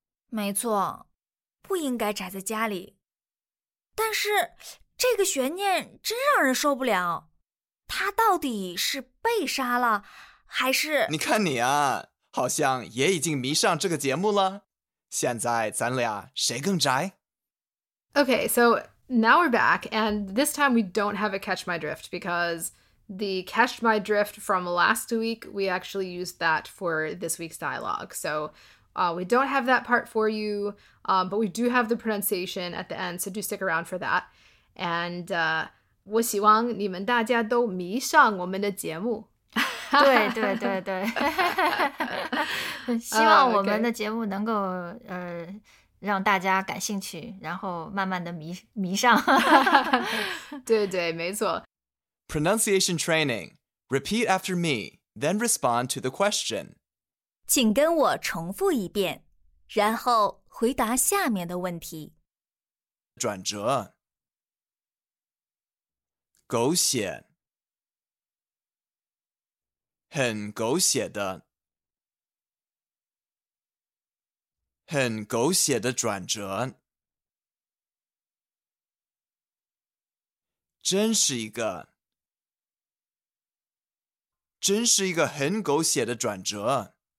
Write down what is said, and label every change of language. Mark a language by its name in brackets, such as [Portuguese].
[Chinese] 没错，不应该宅在家里。但是这个悬念真让人受不了。他到底是被杀了，还是…… 你看你啊，好像也已经迷上这个节目了。现在咱俩谁更宅？ [English] Okay, so now we're back, and this time we don't have a catch my drift, because the catch my drift from last week, we actually used that for this week's dialogue. So, we don't have that part for you, but we do have the pronunciation at the end, so do stick around for that. [Chinese] And, 我希望你们大家都迷上我们的节目。对对对对，希望我们的节目能够让大家感兴趣，然后慢慢的迷上。对对，没错。 [English] Pronunciation training. Repeat after me, then respond to the question. [Chinese] 请跟我重复一遍，然后回答下面的问题。转折。狗血，很狗血的，很狗血的转折，真是一个很狗血的转折。